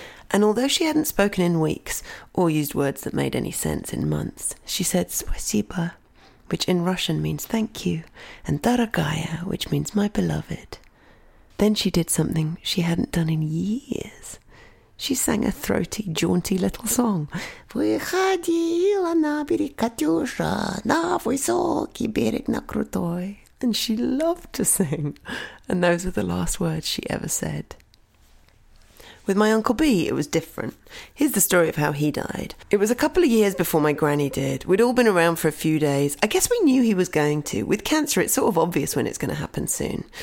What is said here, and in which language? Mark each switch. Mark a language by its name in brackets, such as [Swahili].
[English] And although she hadn't spoken in weeks, or used words that made any sense in months, she said «спасибо», which in Russian means «thank you», and «дорогая», which means «my beloved». Then she did something she hadn't done in years. She sang a throaty, jaunty little song. [Russian] «Выходила на берег, Катюша, на высокий берег, на крутой». [English] And she loved to sing. And those were the last words she ever said. With my Uncle B, it was different. Here's the story of how he died. It was a couple of years before my granny did. We'd all been around for a few days. I guess we knew he was going to. With cancer, it's sort of obvious when it's going to happen soon.